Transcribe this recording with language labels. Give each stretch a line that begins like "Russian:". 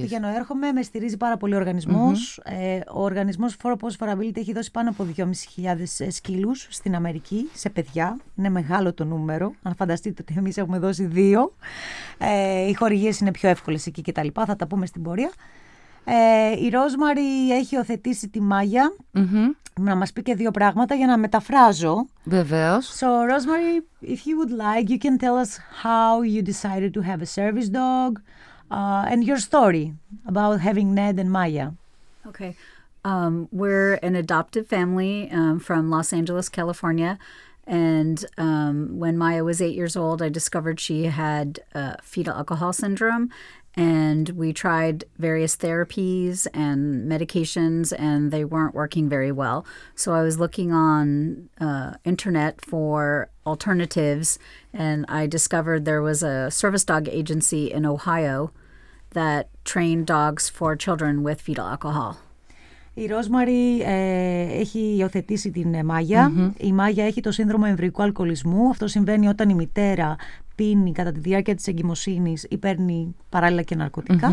Greek: Πηγαίνω έρχομαι, με στηρίζει πάρα πολύ ο οργανισμός. Mm-hmm. Ο οργανισμός For Possibility έχει δώσει πάνω από 2.500 σκύλους στην Αμερική, σε παιδιά. Είναι μεγάλο το νούμερο. Αν φανταστείτε ότι εμείς έχουμε δώσει 2. Οι χορηγίες είναι πιο εύκολες εκεί κτλ. Θα τα πούμε στην πορεία. Η Ρόσμαρη έχει υιοθετήσει τη Μάγια. Mm-hmm. Να μας πει και 2 πράγματα για να μεταφράζω. Βεβαίως.
English: So, Rosemary, if you would like, you can tell us how you decided to have a service dog and your story about having Ned and Maya. Okay. We're an adoptive family from Los Angeles, California. And when Maya was 8 years old, I discovered she had fetal alcohol syndrome. And we tried various therapies and medications, and they weren't working very well. So I was looking on internet for alternatives, and I discovered there was a service dog agency in Ohio that trained dogs for children with fetal alcohol.
Greek: Η Ρόσμαρη έχει υιοθετήσει την Μάγια. Mm-hmm. Η Μάγια έχει το σύνδρομο εμβρυϊκού αλκοολισμού. Αυτό συμβαίνει όταν η μητέρα πίνει κατά τη διάρκεια της εγκυμοσύνης ή παίρνει παράλληλα και ναρκωτικά.